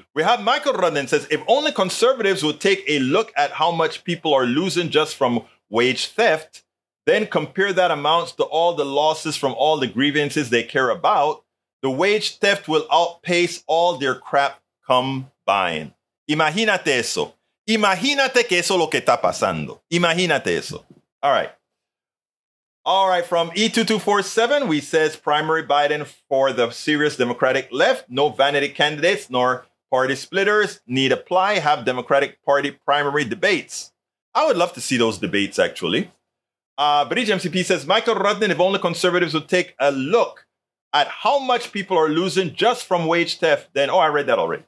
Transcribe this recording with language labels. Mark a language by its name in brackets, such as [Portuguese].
[English] We have Michael Rondon says, if only conservatives would take a look at how much people are losing just from wage theft, then compare that amount to all the losses from all the grievances they care about, the wage theft will outpace all their crap combined. [Spanish] Imagínate eso. Imagínate que eso lo que está pasando. Imagínate eso. [English] All right. From E2247, we says primary Biden for the serious Democratic left. No vanity candidates nor party splitters need apply. Have Democratic Party primary debates. I would love to see those debates, actually. Bridge MCP says, Michael Rodden, if only conservatives would take a look at how much people are losing just from wage theft, then... Oh, I read that already.